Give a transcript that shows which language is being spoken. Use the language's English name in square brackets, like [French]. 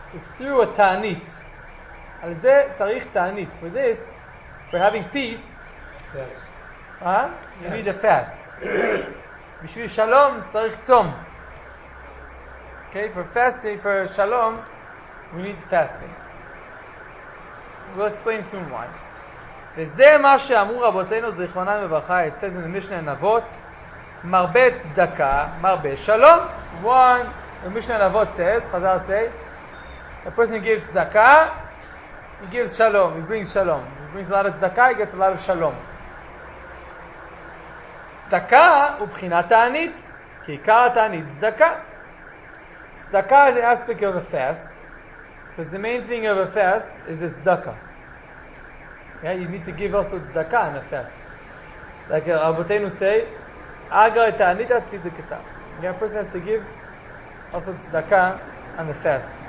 [English] It's through a [Hebrew] תענית. על זה צריך תענית. [English] For this, for having peace, you need a fast. [Hebrew] בשביל שלום צריך צום. [English] Okay, for fasting, for שלום, we need fasting. We'll explain soon why. [Hebrew] וזה מה שאמרו רבותינו זכרונם לברכה, [English] it says in the Mishnah Navot, [Hebrew] מרבה צדקה, מרבה שלום. [English] One, the Mishnah Navot says, חזר say, a person gives צדקה, he gives שלום, he brings שלום. He brings a lot of צדקה, he gets a lot of שלום. [Hebrew] צדקה הוא בחינת תענית, כי עיקר התענית צדקה. [English] צדקה is an aspect of a fast, because the main thing of a fast is a tzedakah. Yeah, you need to give also tzedakah in a fast. Like Rabbeinu say, Agra ta'anit tzedakah. Yeah, a person has to give also tzedakah on the fast.